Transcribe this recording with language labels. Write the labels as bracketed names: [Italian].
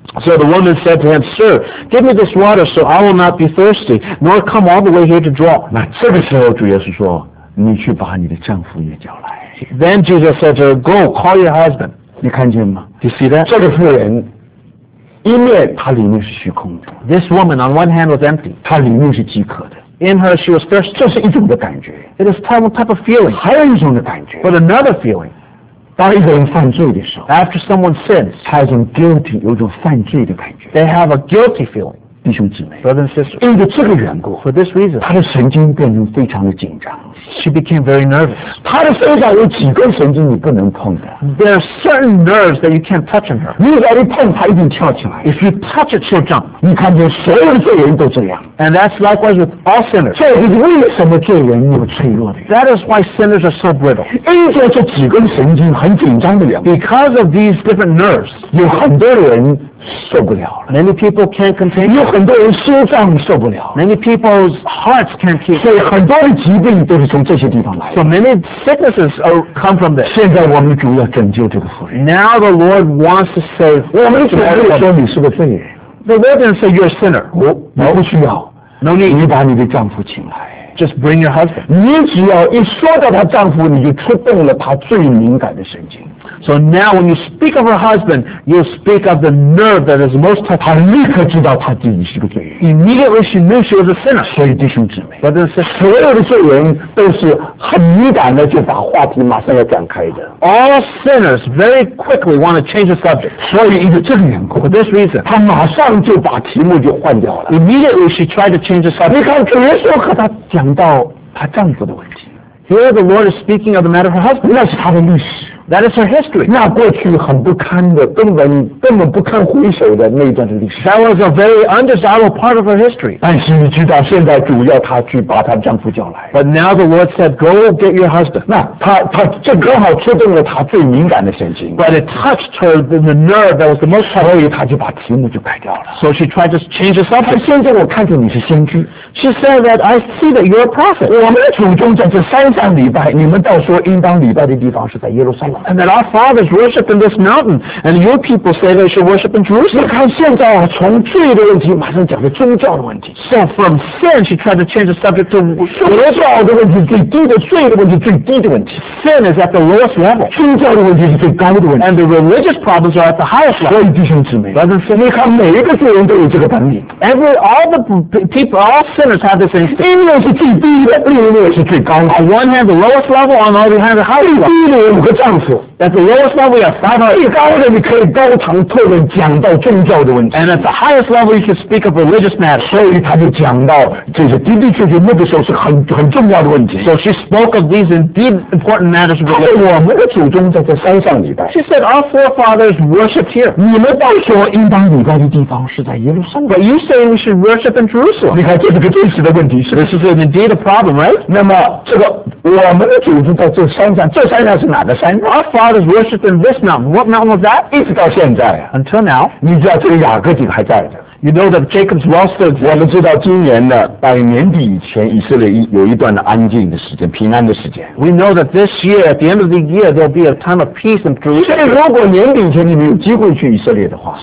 [English] So the woman said to him, Sir, give me this water, so I will not be thirsty, nor come all the way here to draw. [Chinese] 那这个时候主耶稣说。你去把你的丈夫也叫来。 [English] Then Jesus said to her, Go, call your husband. [Chinese] 你看见吗 [English] ？Do you see that? [Chinese] 这个妇人，一面她里面是虚空的。 [English] This woman, on one hand, was empty. [Chinese] 她里面是饥渴的。 [English] In her, she was thirsty. [Chinese] 这是一种的感觉。 [English] It is a type of feeling. [Chinese] 还有一种的感觉。 [English] But another feeling. [Chinese] 当一个人犯罪的时候 [English] ，After someone sins, [Chinese] 他有种 guilty， 有种犯罪的感觉。 [English] They have a guilty feeling. [Chinese] 弟兄姊妹 [English] ，brothers and sisters， [Chinese] 因为这个缘故 [English] ，for this reason， [Chinese] 他的神经变成非常的紧张 [English] ，she became very nervous。 [Chinese] 他的身上有几根神经你不能碰的 [English] ，there are certain nerves that you can't touch in her。 [Chinese] 你要一碰他一定跳起来 [English] ，if you touch it she'll jump。 [Chinese] 你看见所有的罪人都这样 [English] ，and that's likewise with all sinners。 [Chinese] 这就是为什么罪人那么脆弱的 [English] ，that is why sinners are so brittle。 [Chinese] 因为这几根神经很紧张的缘故 [English] ，because of these different nerves， [Chinese] 有很多人。受不了了 [English] Many people can't contain. [Chinese] 有很多人心脏受不了 [English] Many people's hearts can't keep. [Chinese] 所以很多的疾病都是从这些地方来的 [English] So many sicknesses come from this. [Chinese] 现在我们的主要拯救这个妇人 [English] Now the Lord wants to say. [Chinese] 我们的主没有说你是个罪人 [English] The Lord didn't say you're a sinner. [Chinese] 我不需要 [English] No need. [Chinese] 你把你的丈夫请来 [English] Just bring your husband. [Chinese] 你只要一说到她丈夫，你就触动了她最敏感的神经。 [English] So now when you speak of her husband, you speak of the nerve that is most touched. [Chinese] 她立刻知道她自己是个罪人。 [English] Immediately she knew she was a sinner. [Chinese] 所以弟兄姊妹 [English] ，brothers and sisters， [Chinese] 所有的罪人都是很敏感的，就把话题马上要展开的。 [English] All sinners very quickly want to change the subject. [Chinese] 所以因为这个缘故 [English] ，for this reason， [Chinese] 她马上就把题目就换掉了。 [English] Immediately she tried to change the subject. [Chinese] 你看主耶稣和她讲到她丈夫的问题。 [English] Here the Lord is speaking of the matter of her husband. [Chinese] 那是她的历史。 [English] That is her history. [Chinese] 那过去很不堪的，根本不堪回首的那一段的历史。 [English] That was a very undesirable part of her history. [Chinese] 但是你知道，现在主要她去把她丈夫叫来。 [English] But now the Lord said, "Go get your husband." [Chinese] 那她这刚好触动了她最敏感的神经。 [English] But it touched her the nerve that was the most. [Chinese] 所以她就把题目就改掉了。 [English] So she tried to change the subject. [Chinese] 现在我看见你是先知。 [English] She said that I see that you're a prophet. [Chinese] 我们的祖宗在这山上礼拜，你们到说应当礼拜的地方是在耶路撒冷。 [English] And that our fathers worship in this mountain, and your people say they should worship in Jerusalem. [Chinese] 你看现在啊，从罪的问题马上讲到宗教的问题。 [English] So from sin, she tried to change the subject to [Chinese] 宗教的问题最低的罪的问题最低的问题。 [English] Sin is at the lowest level. [Chinese] 宗教的问题是最高的问题。 [English] And the religious problems are at the highest level. [Chinese] 所以弟兄姊妹，但是你看每一个罪人都有这个本领。 [English] Every all the people, all sinners have this instinct. [Chinese] 因为是最低的，另一面是最高的。 [English] On one hand, the lowest level, on the other hand, the highest level. [Chinese] 低的人和丈夫。处。 [English] At the lowest level, we have 500. [Chinese] 最高的你可以高谈阔论讲到宗教的问题。 [English] And at the highest level, you can speak of religious matters. [Chinese] 所以他就讲到这些的的确确那个时候是很重要的问题。 [English] So she spoke of these indeed important matters. [Chinese] 他说我们的祖宗在山上礼拜。 [English] She said our forefathers worshipped here. [Chinese] 你们倒说应当礼拜的地方是在耶路撒冷。 [English] But you say we should worship in Jerusalem. [Chinese] 你看这是个真实的问题。 [English] This is indeed a problem, right? [Chinese] 那么这个我们的祖宗在这山上，这山上是哪个山？ [English] Our fathers worshipped in this mountain. What mountain was that? [Chinese] 一直到现在。 [English] Until now. [Chinese] 你知道这个雅各井还在的。 [English] You know that Jacob's well still exists. [Chinese] 我们知道今年的百年底以前，以色列有一段的安静的时间，平安的时间。 [English] We know that this year, at the end of the year, there'll be a time of peace and truth. [Chinese] 所以如果年底以前你们有机会去以色列的话